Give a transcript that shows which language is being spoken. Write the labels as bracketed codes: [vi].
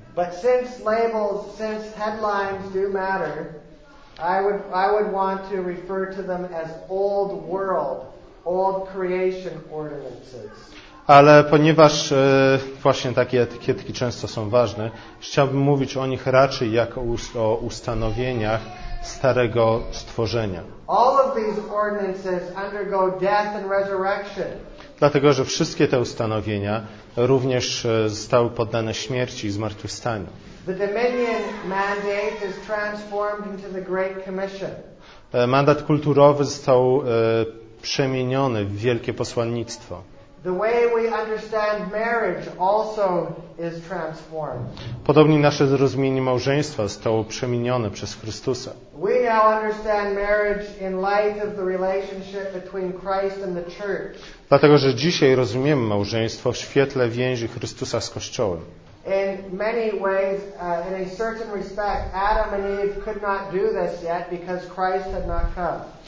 [en] But since labels, since headlines do matter, I would want to refer to them as old world, old creation ordinances. [pl] Ale ponieważ właśnie takie etykietki często są ważne, chciałbym mówić o nich raczej jak o ustanowieniach starego stworzenia. [en] All of these ordinances undergo death and resurrection. [pl] Dlatego, że wszystkie te ustanowienia również zostały poddane śmierci i zmartwychwstaniu. [en] The dominion mandate is transformed into the Great Commission. [pl] Mandat kulturowy został przemieniony w wielkie posłannictwo. [en] The way we understand marriage also is transformed. [pl] Podobnie nasze zrozumienie małżeństwa zostało przemienione przez Chrystusa. [en] We now understand marriage in light of the relationship between Christ and the church. [pl] Dlatego, że dzisiaj rozumiemy małżeństwo w świetle więzi Chrystusa z Kościołem. [en] In many ways, in a certain respect, Adam and Eve could not do this yet because Christ had not come.